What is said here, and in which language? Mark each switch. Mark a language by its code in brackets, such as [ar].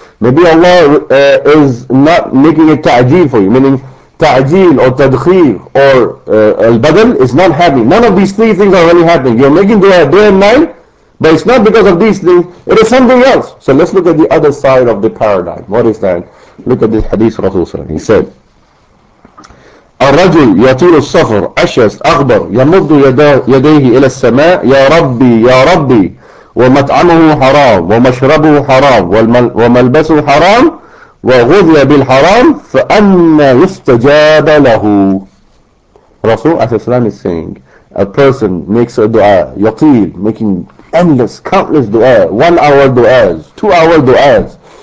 [en] Maybe Allah is not making it ta'jeel for you, meaning ta'jeel or tadkhir or al-badal is not happening. None of these three things are really happening. You're making dua day and night, but it's not because of these things, it is something else. So let's look at the other side of the paradigm. What is that? Look at this hadith of Rasulullah. He said, [ar] الرجل يطيل السفر أشيس أغبر يمد يديه إلى السماء يا ربي يا ربي ومطعمه حرام ومشربه حرام وملبسه حرام وغذي بالحرام فأنا يستجاب له. رسول الله صلى الله عليه وسلم [en] saying, a person makes a dua, يطيل, making endless, countless dua, 1 hour duas, 2 hour duas,